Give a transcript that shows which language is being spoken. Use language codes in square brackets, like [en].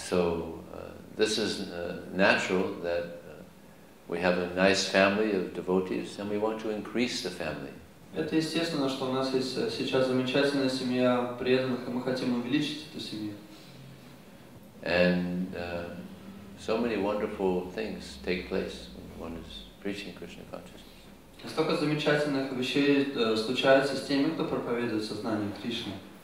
[en] So this is natural that we have a nice family of devotees and we want to increase the family. [ru] Это естественно, что у нас есть сейчас замечательная семья преданных, и мы хотим увеличить эту семью. [en] And so many wonderful things take place when one is preaching Krishna consciousness. [ru] Столько замечательных вещей случается с теми, кто проповедует сознание Кришны.